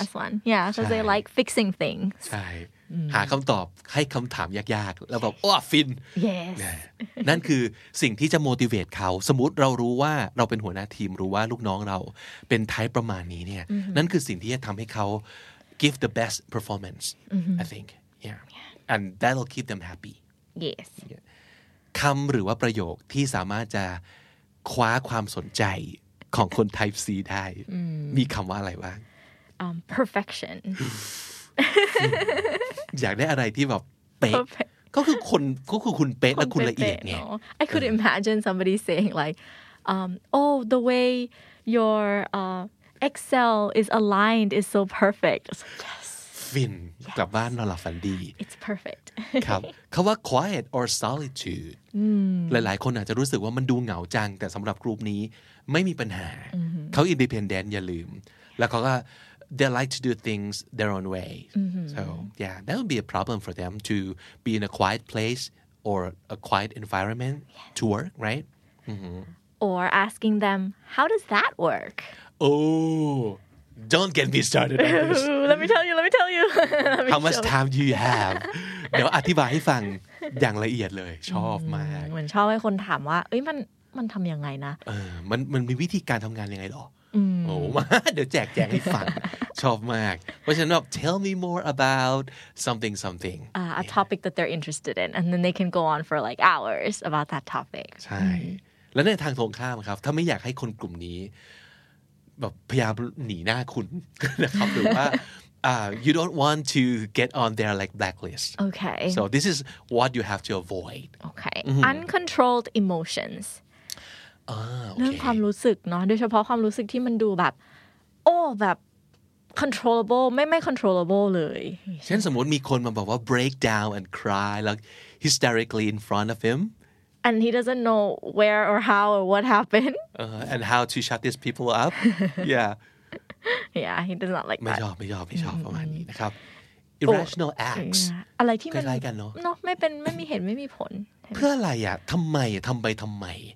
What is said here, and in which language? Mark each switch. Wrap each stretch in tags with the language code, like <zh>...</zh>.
<en>last one yeah because they like fixing things</en> <th>ใช่หาคำตอบให้คำถามยากๆแล้วแบบโอ้ฟิน</th> <en>yes.</en> <th>นั่นคือสิ่งที่จะ motivate เขาสมมุติเรารู้ว่าเราเป็นหัวหน้าทีมรู้ว่าลูกน้องเราเป็นไทป์ประมาณนี้เนี่ย</th> <en>mm-hmm.</en> <th>นั่นคือสิ่งที่จะทำให้เขา</th> <en>give the best performance mm-hmm. I think yeah and that'll keep them happy yes</en> <th>คำหรือว่าประโยคที่สามารถจะคว้าความสนใจของคนไทป์ C ได้</th> <en>mm-hmm.</en> <th>มีคำว่าอะไรบ้าง</th> <en>perfection</en> <th>อยากได้อะไรที่แบบเป๊ะก็คือคนก็คือคุณเป๊ะและคุณละเอียดไง</th> <en>I could imagine somebody saying like oh the way your Excel is aligned is so perfect yes</en> <th>ฟินกลับบ้านนอนหลับฝันดี</th> <en>it's perfect</en> <th>ครับคำว่า</th> <en>quiet or solitude</en> <th>หลายๆคนอาจจะรู้สึกว่ามันดูเหงาจังแต่สำหรับกลุ่มนี้ไม่มีปัญหาเขา independent อย่าลืมแล้วเขาก็</th> <en>They like to do things their own way. Mm-hmm. So, yeah, that would be a problem for them to be in a quiet place or a quiet environment yes. to work, right? Mm-hmm. Or asking them, how does that work? Oh, don't get me started on this. let me tell you. how much time do you have?</en> <th>เดี๋ยวอธิบายให้ฟังอย่างละเอียดเลยชอบมาก เหมือนชอบให้คนถามว่าเอ้ยมันทำยังไงนะ มันมีวิธีการทำงานยังไงหรอโอ้มาเดี๋ยวแจกแจงให้ฟังชอบมากเพราะฉะนั้นแบบ</th> <en>tell me more about something a topic that they're interested in and then they can go on for like hours about that topic</en> <th>ใช่แล้วในทางตรงข้ามครับถ้าไม่อยากให้คนกลุ่มนี้แบบพยายามหนีหน้าคุณนะครับหรือว่า</th> <en>you don't want to get on their like blacklist okay so this is what you have to avoid okay uncontrolled emotions Okay.</en> <th>เรื่องความรู้สึกเนาะโดยเฉพาะความรู้สึกที่มันดูแบบโอ้แบบ controllable ไม่ controllable เลย เช่นสมมติมีคนมาบอกว่า</th> <en>break down and cry like hysterically in front of him and he doesn't know where or how or what happened and how to shut these people up yeah he does not like</en> <th>ไม่ชอบไม่ชอบประมาณนี้นะครับ</th> <en>irrational acts</en> <th>อะไรที่มัน ใกล้กันเนาะ เนาะไม่เป็นไม่มีเหตุไม่มีผล เพื่ออะไรอ่ะทำไมทำไปทำไม</th>